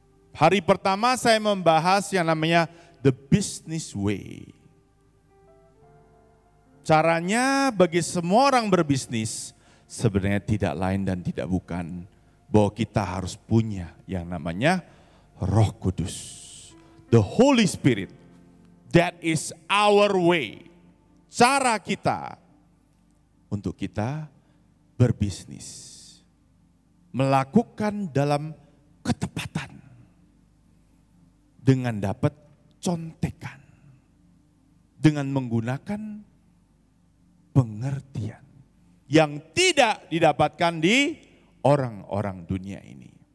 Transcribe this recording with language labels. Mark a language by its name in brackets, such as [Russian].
[Indonesian] Hari pertama saya membahas yang namanya the business way. Caranya bagi semua orang berbisnis sebenarnya tidak lain dan tidak bukan bahwa kita harus punya yang namanya Roh Kudus. [English] The Holy Spirit, that is our way. [Indonesian] Cara kita untuk kita berbisnis, melakukan dalam ketepatan, dengan dapat contekan, dengan menggunakan pengertian yang tidak didapatkan di orang-orang dunia ini.